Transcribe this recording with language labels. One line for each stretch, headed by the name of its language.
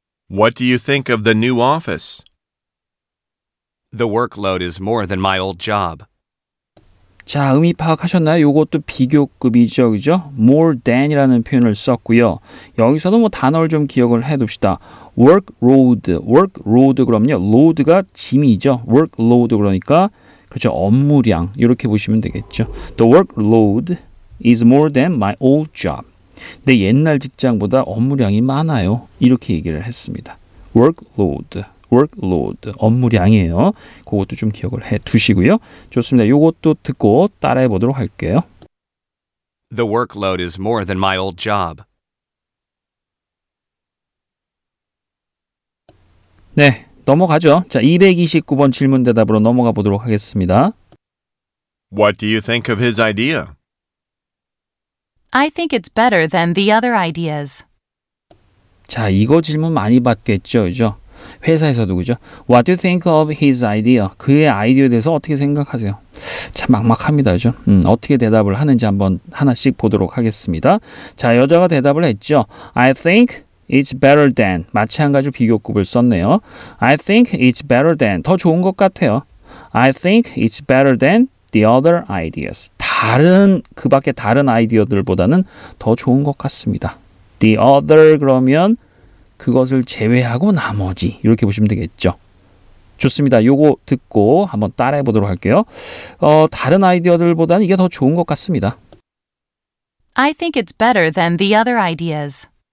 English: What do you think of the new office? The workload is more than my old job.
Korean: 자, 의미 파악하셨나요? 요것도 비교급이죠, 그죠? More than이라는 표현을 썼고요. 여기서도 뭐 단어를 좀 기억을 해둡시다. Workload, workload 그러면 load가 짐이죠. Workload 그러니까 그렇죠, 업무량 이렇게 보시면 되겠죠.
English: The workload is more than my old job.
Korean: 내 옛날 직장보다 업무량이 많아요. 이렇게 얘기를 했습니다. Workload, workload, 업무량이에요. 그것도 좀 기억을 해 두시고요. 좋습니다. 이것도 듣고 따라해 보도록 할게요.
English: The workload is more than my old job.
Korean: 네, 넘어가죠. 자, 229번 질문 대답으로 넘어가 보도록 하겠습니다.
English: What do you think of his idea? I think it's better than the other ideas.
Korean: 자, 이거 질문 많이 받겠죠, 그죠? 회사에서도 그죠?
English: What do you think of his idea?
Korean: 그의 아이디어에 대해서 어떻게 생각하세요? 참 막막합니다, 그죠? 어떻게 대답을 하는지 한번 하나씩 보도록 하겠습니다. 자, 여자가 대답을 했죠.
English: I think it's better than.
Korean: 마찬가지로 비교급을 썼네요.
English: I think it's better than.
Korean: 더 좋은 것 같아요.
English: I think it's better than the other ideas.
Korean: 다른, 그 밖에 다른 아이디어들보다는 더 좋은 것 같습니다. The other 그러면 그것을 제외하고 나머지 이렇게 보시면 되겠죠. 좋습니다. 요거 듣고 한번 따라해 보도록 할게요. 다른 아이디어들보다는 이게 더 좋은 것 같습니다.
English: I think it's better than the other ideas.